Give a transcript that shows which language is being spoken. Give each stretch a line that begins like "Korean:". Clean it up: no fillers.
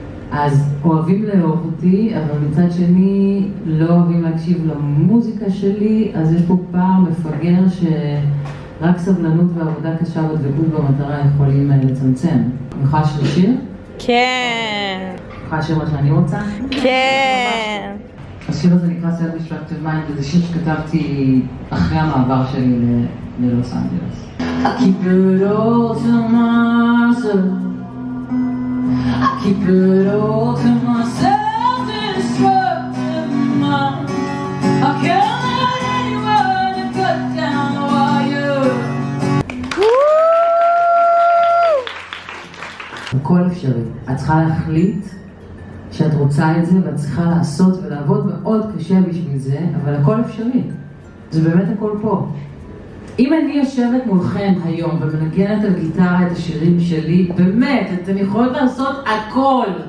Hebrew: אז אוהבים לאהוב אותי, אבל מצד שני לא אוהבים להקשיב למוזיקה שלי, אז יש פה פער מפגר שרק סבלנות ועבודה קשה ודבקות במטרה יכולים לצמצם. אני יכולה שיר? כן. אני יכולה שיר מה שאני רוצה? כן. השיר הזה נקרא סייד משפט של מיינד, וזה שיר שכתבתי אחרי המעבר שלי ללוס אנג'לס.
English: I keep it all to myself, I keep it all to myself, destructive mind, I can't let anyone cut down the wire.
Hebrew: הכל אפשרי, את צריכה להחליט שאת רוצה את זה ואת צריכה לעשות ולעבוד מאוד קשה בשביל זה, אבל הכל אפשרי, זה באמת הכל פה. אם אני יושבת מולכם היום ומנגנת על גיטרה את השירים שלי, באמת, אתם יכולות לעשות הכל.